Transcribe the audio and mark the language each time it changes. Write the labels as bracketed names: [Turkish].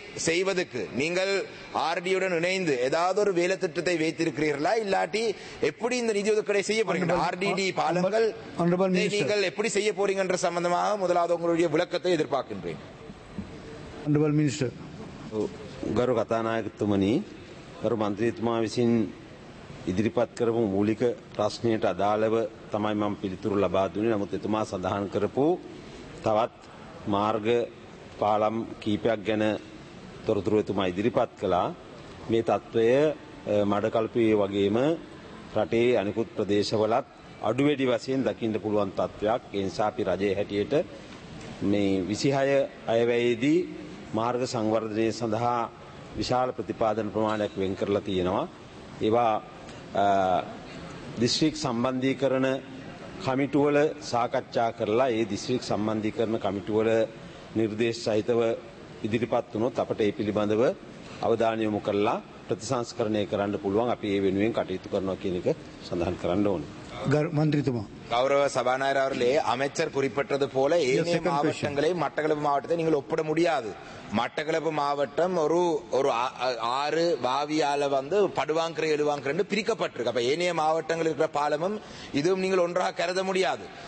[Tamil] செய்வதற்கு நீங்கள் ஆர்டியுடன் இணைந்து ஏதாவது ஒரு வேலை திட்டத்தை வைத்திருக்கிறீர்களா இல்லாட்டி எப்படி இந்த நிதி ஒதுக்கீடு செய்ய போறீங்க? ஆர்டிடி பாலங்கள் நீங்கள் எப்படி செய்ய போறீங்க என்ற சம்பந்தமாக முதலாவது உங்களுடைய விளக்கத்தை எதிர்பார்க்கின்றேன். [Sinhala] ගරු කතානායකතුමනි ගරු මන්ත්‍රීතුමා විසින් ඉදිරිපත් කරපු මූලික ප්‍රශ්නයට අදාළව තමයි මම පිළිතුරු ලබා දුන්නේ. නමුත් එතුමා සඳහන් කරපු තවත් මාර්ග පාලම් කීපයක් ගැන තොරතුරු එතුමා ඉදිරිපත් කළා. මේ තත්ත්වය මඩකල්පුවේ වගේම රටේ අනිකුත් ප්‍රදේශවලත් අඩුවෙඩි වශයෙන් දකින්න පුළුවන් තත්ත්වයක්. ඒ නිසා අපි රජයේ හැටියට මේ 26 අයවැයේදී මාර්ග සංවර්ධනය සඳහා විශාල ප්‍රතිපාදන ප්‍රමාණයක් වෙන් කරලා තියෙනවා. ඒවා දිස්ත්‍රික් සම්බන්ධීකරණ කමිටුවල සාකච්ඡා කරලා ඒ දිස්ත්‍රික් සම්බන්ධීකරණ කමිටුවල නිර්දේශ සහිතව ඉදිරිපත් වුණොත් අපට ඒ පිළිබඳව අවධානය යොමු කරලා ප්‍රතිසංස්කරණය කරන්න පුළුවන්. අපි ඒ වෙනුවෙන් කටයුතු කරනවා කියන එක සඳහන් කරන්න ඕනේ. [Tamil] கௌரவ சபாநாயகர் அவர்களே அமைச்சர் குறிப்பிட்டது போல ஏனைய மாவட்டங்களை மட்டக்களப்பு மாவட்டத்தை நீங்கள் ஒப்பிட முடியாது. மட்டக்களப்பு மாவட்டம் ஒரு ஒரு ஆறு வாவியால வந்து படுவாங்கரை எழுவாங்கரை பிரிக்கப்பட்டிருக்கு. அப்ப ஏனைய மாவட்டங்கள் இருக்கிற பாலமும் இதுவும் நீங்கள் ஒன்றாக கருத முடியாது.